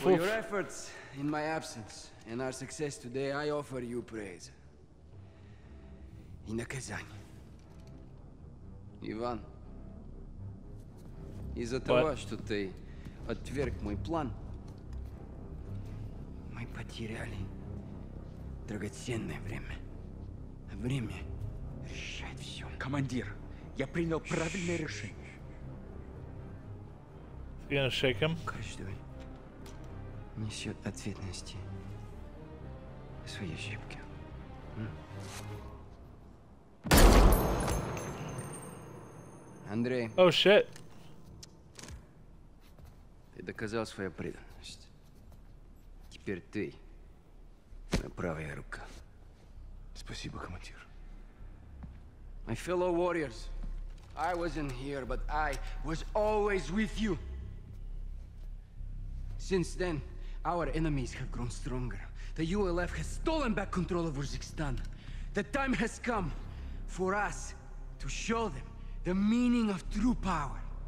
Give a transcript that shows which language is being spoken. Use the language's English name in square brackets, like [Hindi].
[English] for your efforts in my absence and our success today, I offer you praise. In a Kazani. [Russian] Иван, из-за того, что ты отверг мой план, мы потеряли драгоценное время. Время решает все. Командир, я принял правильное решение. [English] You gonna shake him? [Russian] Каждый несет ответственности за свои ошибки. Андрей. [English] Oh shit. [Russian] Ты доказал свою преданность. Теперь ты моя правая рука. Спасибо, командир. [English] My fellow warriors, I wasn't here, but I was always with you. Since then, our enemies have grown stronger. The ULF has stolen back control of Uzbekistan. The time has come for us to show them the meaning of true power.